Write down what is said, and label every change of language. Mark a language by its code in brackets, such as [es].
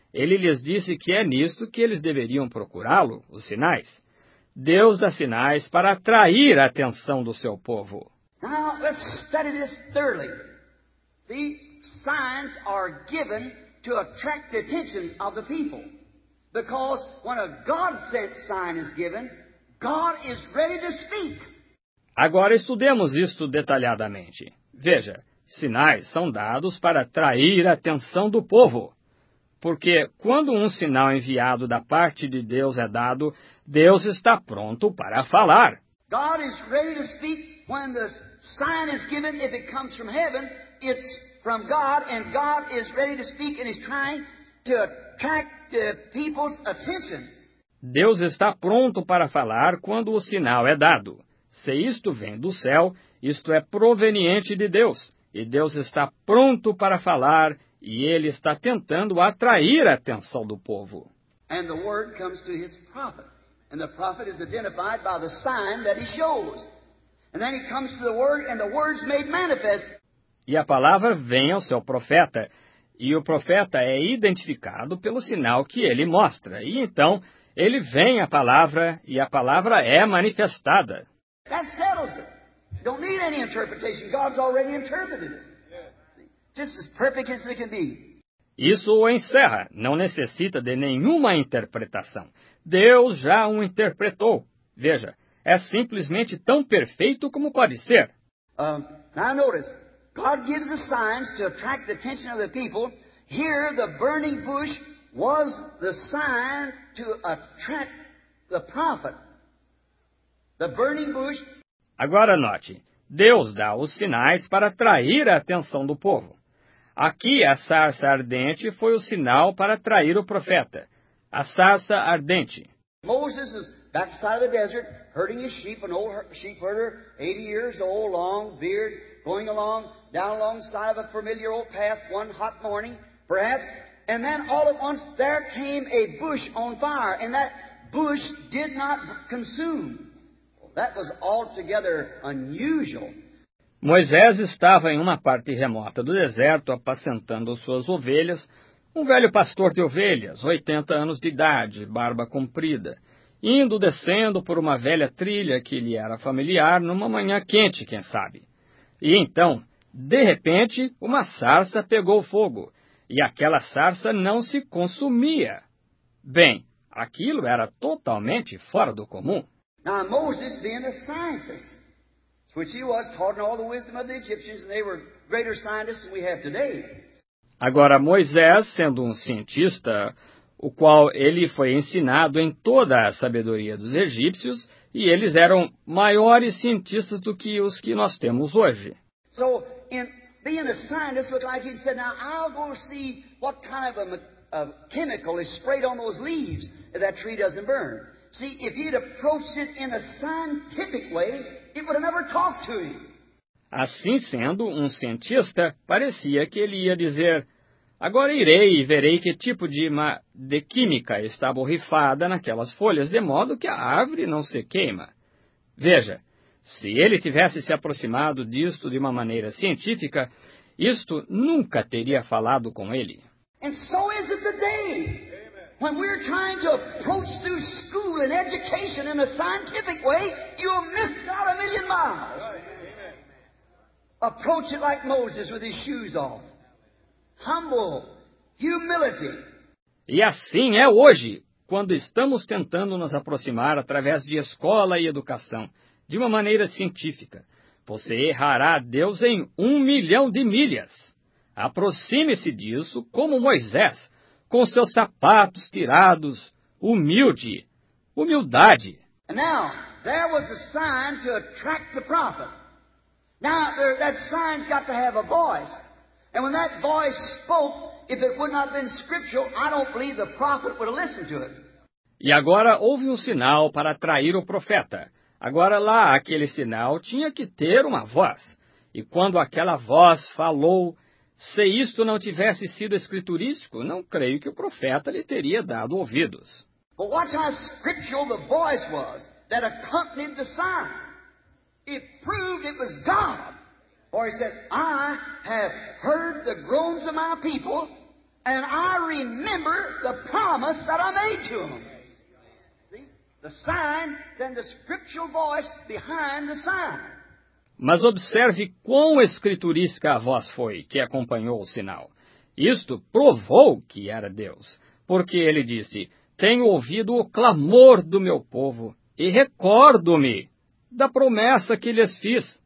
[pt] Ele lhes disse que é nisto que eles deveriam procurá-lo, os sinais. Deus dá sinais para atrair a atenção do seu povo. [en] Now, let's study this thoroughly. See, signs are given to attract the attention of the people. Because when a God-sent sign is given, God is ready to speak. [pt] Agora estudemos isto detalhadamente. Veja, sinais são dados para atrair a atenção do povo. Porque quando um sinal enviado da parte de Deus é dado, Deus está pronto para falar. [en] God is ready to speak when the sign is given. If it comes from heaven, it's from God, and God is ready to speak and is trying to attract the people's attention. [pt] Deus está pronto para falar quando o sinal é dado. Se isto vem do céu, isto é proveniente de Deus, e Deus está pronto para falar, e ele está tentando atrair a atenção do povo. [en] And the word comes to his prophet, and the prophet is identified by the sign that he shows. And then he comes to the word, and the word's made manifest. [pt] E a palavra vem ao seu profeta, e o profeta é identificado pelo sinal que ele mostra. E então, ele vem à palavra, e a palavra é manifestada. [en] That settles it. Don't need any interpretation. God's already interpreted it. Just as perfect as it can be. [pt] Isso o encerra. Não necessita de nenhuma interpretação. Deus já o interpretou. Veja, é simplesmente tão perfeito como pode ser. [en] Now notice, God gives the signs to attract the attention of the people. Here, the burning bush was the sign to attract the prophet. The burning bush. [pt] Agora note, Deus dá os sinais para atrair a atenção do povo. Aqui a sarça ardente foi o sinal para atrair o profeta. A sarça ardente. [en] Moses is back side of the desert, herding his sheep, an old sheep herder, 80 years old, long beard, going along, down alongside of a familiar old path one hot morning, perhaps. And then all at once there came a bush on fire, and that bush did not consume. That was altogether unusual. [pt] Moisés estava em uma parte remota do deserto, apacentando suas ovelhas, um velho pastor de ovelhas, 80 anos de idade, barba comprida, indo descendo por uma velha trilha que lhe era familiar numa manhã quente, quem sabe. E então, de repente, uma sarça pegou fogo, e aquela sarça não se consumia. Bem, aquilo era totalmente fora do comum. [en] Now, Moses, being a scientist, which he was, taught in all the wisdom of the Egyptians, and they were greater scientists than we have today. [pt] Agora, Moisés, sendo cientista, o qual ele foi ensinado em toda a sabedoria dos egípcios, e eles eram maiores cientistas do que os que nós temos hoje. [en] So, in being a scientist, looked like he said, now I'll go see what kind of a chemical is sprayed on those leaves if that tree doesn't burn. See, if he'd approached it in a scientific way, it would have never talked to him. [pt] Assim sendo, cientista, parecia que ele ia dizer, agora irei e verei que tipo de química está borrifada naquelas folhas, de modo que a árvore não se queima. Veja, se ele tivesse se aproximado disto de uma maneira científica, isto nunca teria falado com ele. [en] And so is it today. When we're trying to approach through school and education in a scientific way, you'll miss God a million miles. Approach it like Moses with his shoes off. Humble, humility. [pt] E assim é hoje, quando estamos tentando nos aproximar através de escola e educação, de uma maneira científica. Você errará a Deus em 1 milhão de milhas. Aproxime-se disso como Moisés, com seus sapatos tirados, humilde, humildade. [en] Now, there was a sign to attract the prophet. Now, that sign's got to have a voice. And when that voice spoke, if it would not have been scriptural, I don't believe the prophet would have listened to it. [pt] E agora houve um sinal para atrair o profeta. Agora lá, aquele sinal tinha que ter uma voz. E quando aquela voz falou, se isto não tivesse sido escriturístico, não creio que o profeta lhe teria dado ouvidos. [en] But watch how scriptural the voice was that accompanied the sign. It proved it was God. For he said, I have heard the groans of my people, and I remember the promise that I made to them. The sign, then the scriptural voice behind the sign. [pt] Mas observe quão escriturística a voz foi que acompanhou o sinal. Isto provou que era Deus, porque ele disse, tenho ouvido o clamor do meu povo e recordo-me da promessa que lhes fiz.